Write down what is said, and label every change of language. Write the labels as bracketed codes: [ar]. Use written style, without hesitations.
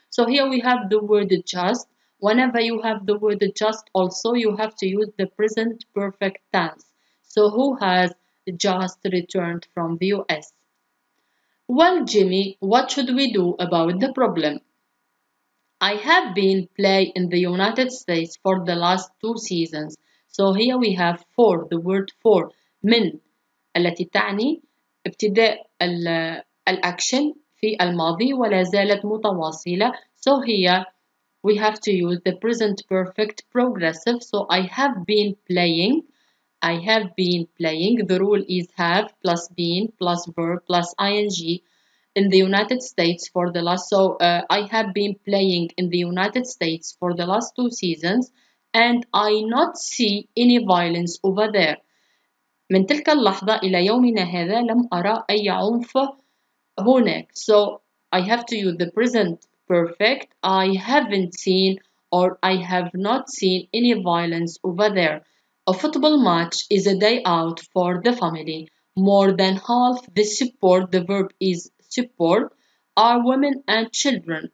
[en] So here we have the word just. Whenever you have the word just also, you have to use the present perfect tense. So who has just returned from the US. Well, Jimmy, what should we do about the problem? I have been playing in the United States for the last two seasons. So here we have for, the word for, [ar] من التي تعني ابتداء الأكشن في الماضي ولا زالت متواصلة. [en] So here we have to use the present perfect progressive. So I have been playing. I have been playing. The rule is have plus been plus verb plus ing in the United States for the last. So I have been playing in the United States for the last two seasons. And I not see any violence over there. [ar] من تلك اللحظة إلى يومنا هذا لم أرى أي عنف هناك. [en] So I have to use the present perfect. I haven't seen or I have not seen any violence over there. A football match is a day out for the family. More than half the support, the verb is support, are women and children.